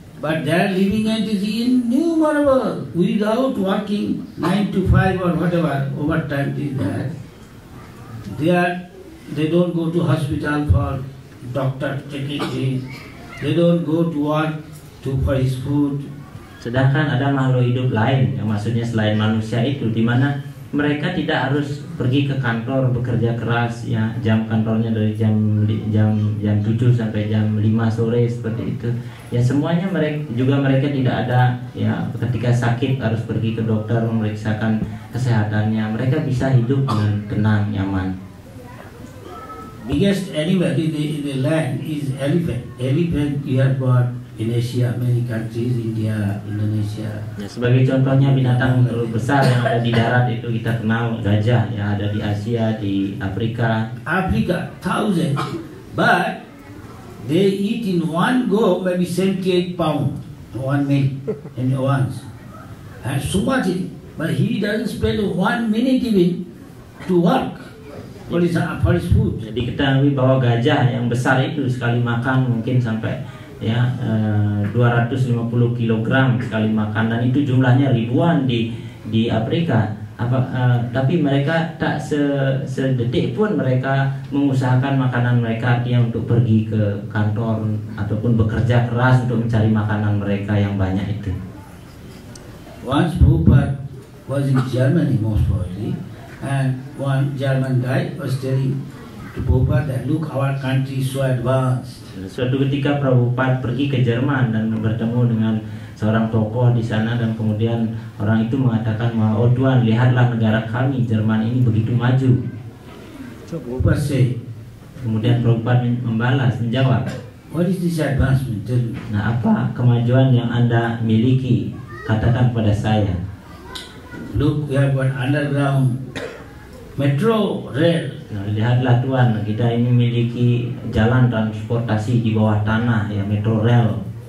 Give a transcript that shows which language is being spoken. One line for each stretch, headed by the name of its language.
English: But their living entity innumerable without working 9 to 5 or whatever overtime is that. They don't go to hospital for doctor checking. They don't go to work to for his food.
Indonesian: Sedangkan ada makhluk hidup lain, yang maksudnya selain manusia itu, di mana mereka tidak harus pergi ke kantor bekerja keras, ya, jam kantornya dari jam 7 sampai jam 5 sore seperti itu. Ya, semuanya mereka tidak ada, ya, ketika sakit harus pergi ke dokter memeriksakan kesehatannya. Mereka bisa hidup dengan tenang, nyaman.
English: Biggest animal in the land is elephant. You have got in Asia, many countries, India, Indonesia.
Indonesian: Ya, sebagai contohnya binatang terbesar yang ada di darat itu kita kenal gajah, yang ada di Asia, di Afrika.
English: Afrika, thousands. But they eat in one go maybe 78 pounds, one meal, in once. And so much, but he doesn't spend 1 minute even to work. For his food.
Indonesian: Jadi diketahui bahwa gajah yang besar itu sekali makan mungkin sampai 250 kg sekali makan, dan itu jumlahnya ribuan di Afrika. Tapi mereka tak sedetik pun mereka mengusahakan makanan mereka, artinya untuk pergi ke kantor ataupun bekerja keras untuk mencari makanan mereka yang banyak itu.
English: Once Bhupat was in Germany most probably, and one German guy was telling to Bhupat that look, our country is so advanced.
Indonesian: Suatu ketika Prabhupada pergi ke Jerman dan bertemu dengan seorang tokoh di sana, dan kemudian orang itu mengatakan, oh Tuhan, lihatlah negara kami, Jerman ini begitu maju.
English: So Prabhupada say,
Indonesian: kemudian Prabhupada membalas, menjawab,
English: what is this advancement?
Indonesian: Nah, apa kemajuan yang Anda miliki? Katakan kepada saya.
English: Look, we have got underground metro rail.
Indonesian: Nah, lihatlah Tuhan, kita ini memiliki jalan transportasi di bawah tanah, ya, metro rail.